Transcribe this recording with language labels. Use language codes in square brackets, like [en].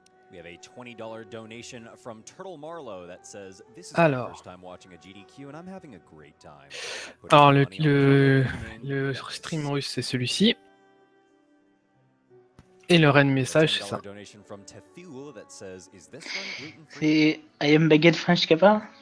[en] We have a $20 donation from Turtle Marlow that says this is the first time watching a GDQ and I'm having a great time. [fr] Alors le stream russe c'est celui-ci. Et le raid message c'est ça. [en] Donation from Tethul that says is this one gluten-free? I am baguette French Kappa.